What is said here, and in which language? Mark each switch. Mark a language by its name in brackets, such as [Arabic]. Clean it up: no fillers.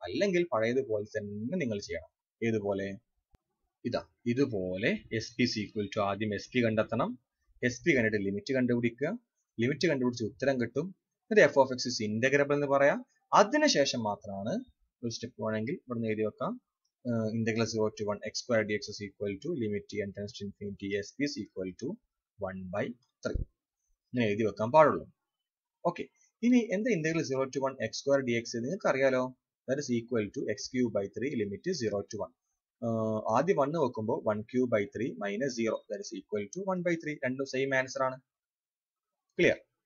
[Malayalam] അല്ലെങ്കിൽ പഴയതുപോലെ തന്നെ നിങ്ങൾ ചെയ്യണം. ഏതുപോലെ? ഇതാ, ഇതുപോലെ [English] S P equal to [Malayalam] ആദ്യം എസ് പി കണ്ടെത്തണം. എസ് പി കണ്ടിട്ട് ലിമിറ്റ് കണ്ടുപിടിക്കുക, ലിമിറ്റ് കണ്ടുപിടിച്ച് ഉത്തരം കിട്ടും. എന്നിട്ട് [English] f of x is integrable [Malayalam] എന്ന് പറയാം. അതിനുശേഷം മാത്രമാണ് ഒരു സ്റ്റെപ്പ് വേണമെങ്കിൽ ഇവിടെ നിന്ന് എഴുതി വെക്കാം. [English] integral 0 to 1 x square dx is equal to limit t n tends to infinity s is equal to 1 by 3. [Malayalam] എഴുതി വെക്കാൻ പാടുള്ളൂ. [English] okay, [Malayalam] ഇനി എന്താ [English] integral 0 to 1 x square dx [Malayalam] നിങ്ങൾക്ക് അറിയാലോ, [English] That is equal to x cube by 3 limit 0 to 1. [Malayalam] ആദ്യം [English] 1 [Malayalam] വെക്കുമ്പോൾ [English] 1 cube by 3 minus 0, that is equal to 1 by 3, [Malayalam] രണ്ടും [English] same answer [Malayalam] ആണ്. [English] Clear.